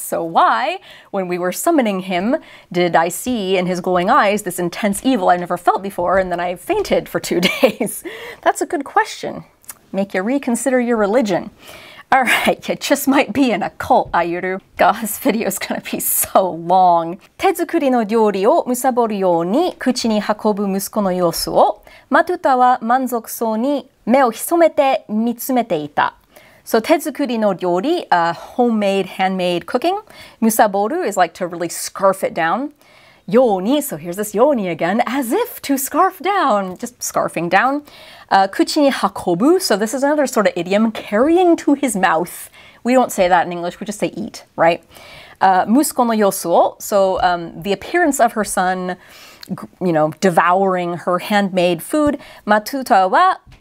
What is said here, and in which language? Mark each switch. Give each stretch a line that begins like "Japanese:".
English: So why, when we were summoning him, did I see in his glowing eyes this intense evil I've never felt before and then I fainted for 2 days? That's a good question. Make you reconsider your religion. All right, you just might be in a cult, Ayuru. God, this video is gonna be so long.
Japanese: 手作りの料理をむさぼるように口に運ぶ息子の様子を、マトゥタは満足そうに目を潜めて見つめていた。
English: So
Japanese: 手作りの料理,
English: homemade, handmade cooking. むさぼる is like to really scarf it down. ように, so here's this ように again, as if to scarf down, just scarfing down.
Japanese: 口に運ぶ,
English: so this is another sort of idiom, carrying to his mouth. We don't say that in English, we just say eat, right?
Japanese: 息子の様子を,
English: so the appearance of her son, you know, devouring her handmade food.
Korean: 마투타와